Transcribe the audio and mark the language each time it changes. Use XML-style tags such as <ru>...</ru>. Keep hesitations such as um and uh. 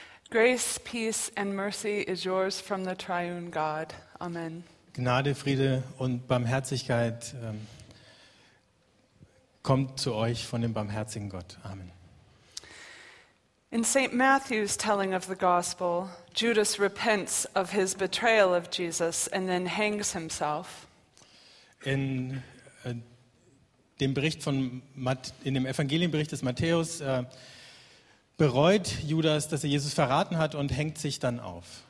<en>Grace, peace and mercy is yours from the triune God. Amen.</en> <de>Gnade, Friede und Barmherzigkeit kommt zu euch von dem barmherzigen Gott. Amen.</de> <en>In St. Matthew's telling of the gospel, Judas repents of his betrayal of Jesus and then hangs himself.</en> <de>In, äh, dem in dem Evangelienbericht des Matthäus äh, bereut Judas, dass er Jesus verraten hat und hängt sich dann auf.</de>